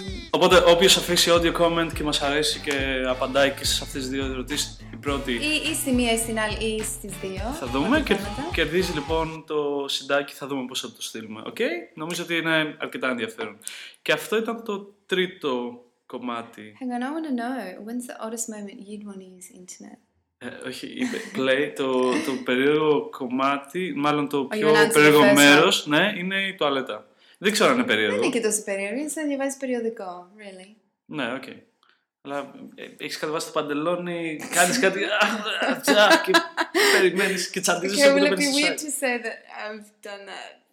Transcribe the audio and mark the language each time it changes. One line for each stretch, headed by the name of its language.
Greek: Οπότε όποιος αφήσει audio comment και μας αρέσει και απαντάει και σε αυτές τις δύο ερωτήσεις, η πρώτη ή στη μία ή στην άλλη ή στις δύο θα δούμε και κερδίζει λοιπόν το συντάκι, θα δούμε πώς θα το στείλουμε. Okay? Νομίζω ότι είναι αρκετά ενδιαφέρον. Και αυτό ήταν το τρίτο κομμάτι.
English: Hang on, I want to know, when's the oddest moment you'd want to use internet?
Greek: Όχι, λέει το περίεργο κομμάτι, μάλλον το πιο περίεργο μέρος, ναι, είναι η τουαλέτα. Δεν ξέρω αν είναι περίεργο. Δεν είναι και τόσο περίεργο, είναι σαν να διαβάζεις περιοδικό, really. Ναι, οκ. Okay. Αλλά έχεις κατεβάσει το παντελόνι, κάνεις κάτι, και περιμένεις και τσαντίζεις
English: okay, well,
Greek: το παιδί.
English: Okay, will it be weird to say that I've done that?